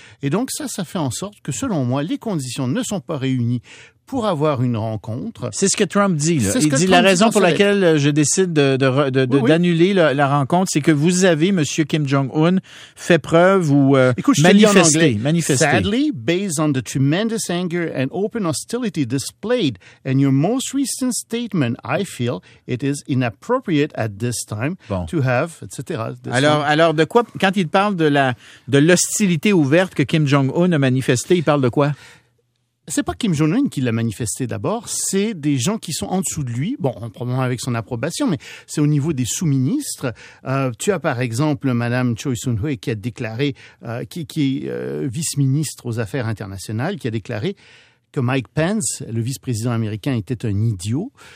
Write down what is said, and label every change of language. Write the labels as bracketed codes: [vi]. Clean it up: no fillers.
[fr] Et donc ça fait en sorte que, selon moi, les conditions ne sont pas réunies pour avoir une rencontre. C'est ce que Trump dit. Là. Il dit Trump la raison pour laquelle je décide d'annuler la rencontre, c'est que vous avez, M. Kim Jong-un, fait preuve ou manifesté. [en] Sadly, based on the tremendous anger and open hostility displayed and your most recent statement, I feel it is inappropriate at this time to have, etc. [fr] Alors, de quoi, quand il parle de l'hostilité ouverte que Kim Jong-un a manifestée, il parle de quoi? C'est pas Kim Jong-un qui l'a manifesté d'abord, c'est des gens qui sont en dessous de lui, bon, probablement avec son approbation, mais c'est au niveau des sous-ministres. Tu as par exemple Madame Choi Soon-hui qui a déclaré, qui est vice-ministre aux affaires internationales, qui a déclaré que Mike Pence, le vice-président américain, était un idiot.